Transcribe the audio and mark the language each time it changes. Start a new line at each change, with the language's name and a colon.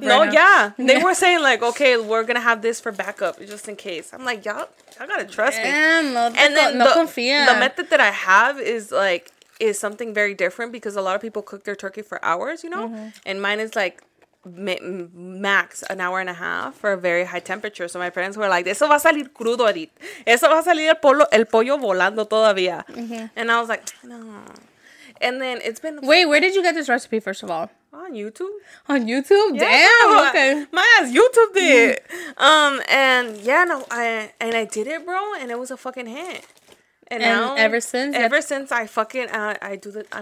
English: They were saying like, okay, we're gonna have this for backup just in case. I'm like, y'all gotta trust me. The method that I have is something very different, because a lot of people cook their turkey for hours, you know? Mm-hmm. And mine is like max an hour and a half for a very high temperature. So my parents were like,
Spanish: eso va a salir crudo ahorita. Eso va a salir el pollo volando todavía.
English: Mm-hmm. And I was like, no. And then it's been... Wait, where did you get this recipe, first of all? On YouTube. On YouTube? Yeah, damn, no, okay. My ass YouTubed it. Mm-hmm. I did it, bro, and it was a fucking hit. And ever since, I